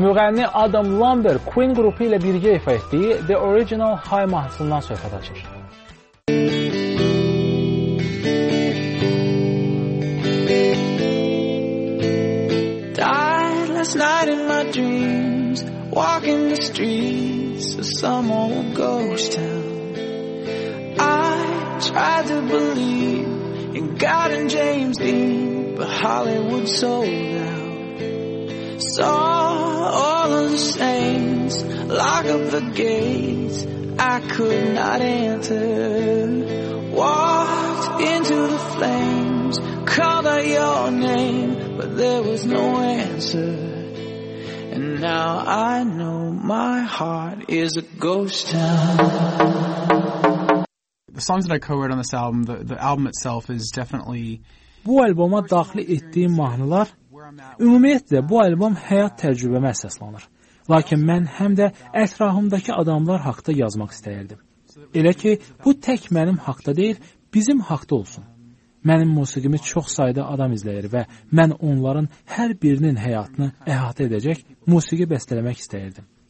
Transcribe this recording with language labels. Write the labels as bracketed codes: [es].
[az] Müğənni Adam Lambert Queen qrupu ilə birgə ifa etdiyi The Original High mahnısından söhbət açır. [en] Walking the streets of some old ghost town, I tried to believe in God and James Dean, but Hollywood sold out. Saw all of the saints lock up the gates I could not enter. Walked into the flames, called out your name, but there was no answer. And now I know my heart is a ghost town. The songs that I co-wrote on this album, the album itself is definitely... [az] Bu albuma daxil etdiyim mahnılar, ümumiyyətlə bu albom həyat təcrübəmə əsaslanır. Lakin mən həm də ətrafımdakı adamlar haqda yazmaq istəyirdim. Elə ki, bu tək mənim haqda deyil, bizim haqda olsun. Mənim musiqimi çox sayda adam izləyir və mən onların hər birinin həyatını əhatə edəcək musiqi bəstələmək istəyirdim.